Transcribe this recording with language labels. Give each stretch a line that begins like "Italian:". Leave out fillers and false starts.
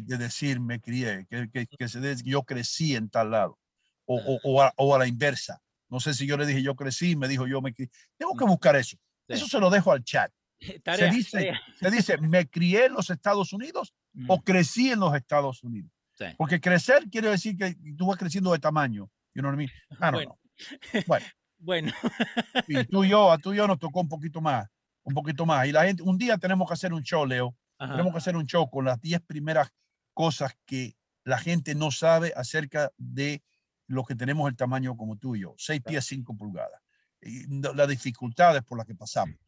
Spanish: De decir me crié, que se dice yo crecí en tal lado, o a la inversa. No sé si yo le dije yo crecí y me dijo yo me crié. Tengo que buscar eso. Sí. Eso se lo dejo al chat. Tarea, se dice me crié en los Estados Unidos o crecí en los Estados Unidos. Sí. Porque crecer quiere decir que tú vas creciendo de tamaño.
English: You know what I mean? I don't know.
Spanish: Bueno. Y tú y yo nos tocó un poquito más. Y la gente, un día tenemos que hacer un show, Leo. Ajá. Tenemos que hacer un show con las 10 primeras cosas que la gente no sabe acerca de los que tenemos el tamaño como tú y yo. 6 pies, 5 pulgadas. Y las dificultades por las que pasamos.